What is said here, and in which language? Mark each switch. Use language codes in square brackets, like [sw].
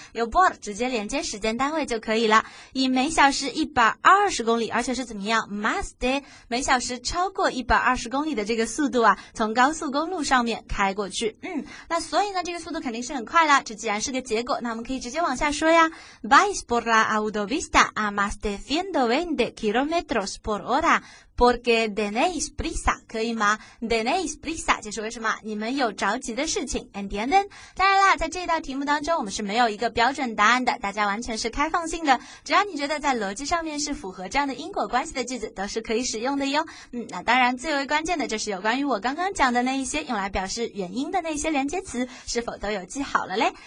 [zh] 有 por 直接连接时间单位就可以了，以每小时120公里，而且是怎么样 más de 每小时超过120公里的这个速度啊，从高速公路上面开过去。那所以呢，这个速度肯定是很快了，这既然是个结果，那我们可以直接往下说呀。 [es] Vais por la autovista a más de 120 kilómetros por horaPorque tenéis prisa， [zh] 可以吗？ [es] Tenéis prisa [zh] 就是为什么你们有着急的事情。 [es] Entienden？ [zh] 当然啦，在这一道题目当中，我们是没有一个标准答案的，大家完全是开放性的，只要你觉得在逻辑上面是符合这样的因果关系的句子，都是可以使用的哟。那当然最为关键的就是有关于我刚刚讲的那一些用来表示原因的那些连接词是否都有记好了嘞。